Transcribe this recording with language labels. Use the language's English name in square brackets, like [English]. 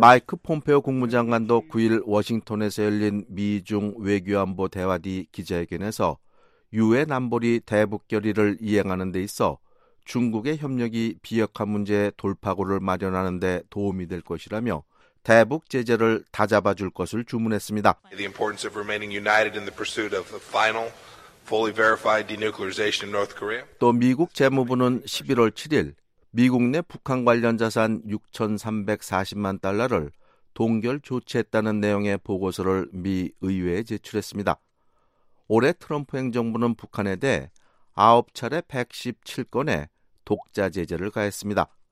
[Korean] 마이크 폼페오 국무장관도 9일 워싱턴에서 열린 미중 외교안보 대화 뒤 기자회견에서 유엔 안보리 대북 결의를 이행하는 데 있어 중국의 협력이 비핵화 문제의 돌파구를 마련하는 데 도움이 될 것이라며 대북 제재를 다 잡아줄 것을 주문했습니다. [English] The importance of remaining united in the pursuit of the final, fully verified denuclearization in North Korea. [Korean] 또 미국 재무부는 11월 7일 미국 내 북한 관련 자산 6,340만 달러를 동결 조치했다는 내용의 보고서를 미 의회에 제출했습니다. 올해 트럼프 행정부는 북한에 대해 9차례 117건의 독자 제재를 가했습니다.